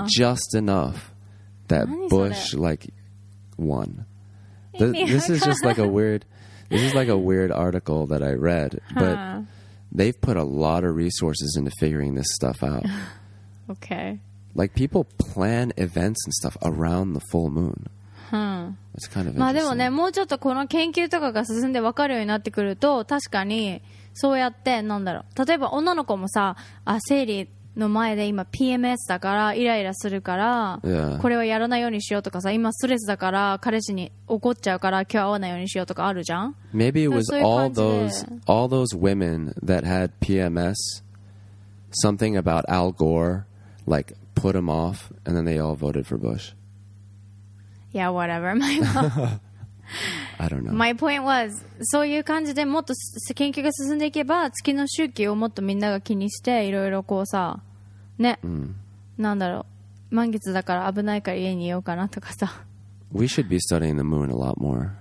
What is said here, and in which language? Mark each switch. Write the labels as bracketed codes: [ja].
[en] Just enough that Bush, like, won. This is just like a weird, this is like a weird article that I read, but they've put a lot of resources into figuring this stuff out. Okay. Like people plan events and stuff around the full moon. Hmm. It's kind of interesting. [ja] まあでもね、もうちょっとこの研究とかが進んで分かるようになってくると、確かにそうやってなんだろう。例えば女の子もさ、あ、生理の前で今 PMS だからイライラするから、 [en] yeah. [ja] これはやらないようにしようとかさ、今ストレスだから彼氏に怒っちゃうから今日会わないようにしようとかあるじゃん。 [en] Maybe it was all those women that had PMS, something about Al Gore, like put him off, and then they all voted for Bush. Yeah, whatever. I don't know. My point was, [ja] そういう感じでもっと研究が進んでいけば、月の周期をもっとみんなが気にして、いろいろこうさ、ね、なんだろう、満月だから危ないから家にいようかなとかさ。 [en] We should be studying the moon a lot more.